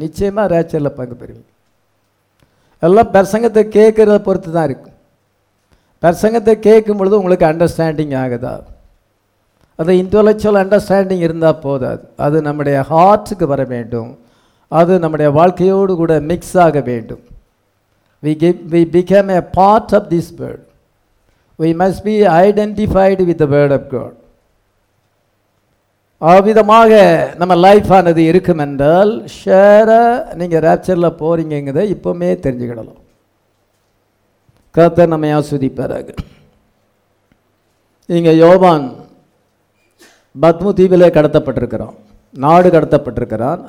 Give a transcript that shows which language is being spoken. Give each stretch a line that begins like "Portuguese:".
Tamil: நிச்சயமாக ரேப்சரில் பங்கு பெறுவீங்க. எல்லாம் பிரசங்கத்தை கேட்குறத பொறுத்து தான் இருக்கும். பிரசங்கத்தை கேட்கும் பொழுது உங்களுக்கு அண்டர்ஸ்டாண்டிங் ஆகுதா? அது இன்டலெக்சுவல் அண்டர்ஸ்டாண்டிங் இருந்தால் போதாது. அது நம்முடைய ஹார்ட்டுக்கு வர வேண்டும். அது நம்முடைய வாழ்க்கையோடு கூட மிக்ஸ் ஆக வேண்டும்.
English: We become a part of this world. We must be identified with the Word of God.
Tamil: ஆவிதமாக நம்ம லைஃப் ஆனது இருக்கும் என்றால் ஷேராக நீங்கள் ராப்சரில் போகிறீங்கிறத இப்போவுமே தெரிஞ்சுக்கிடலாம். கர்த்தர் நம்ம ஆசீர்வதிப்பாராக. இங்கே யோவான் பத்மதீவிலே கடத்தப்பட்டிருக்கிறான், நாடு கடத்தப்பட்டிருக்கிறான்.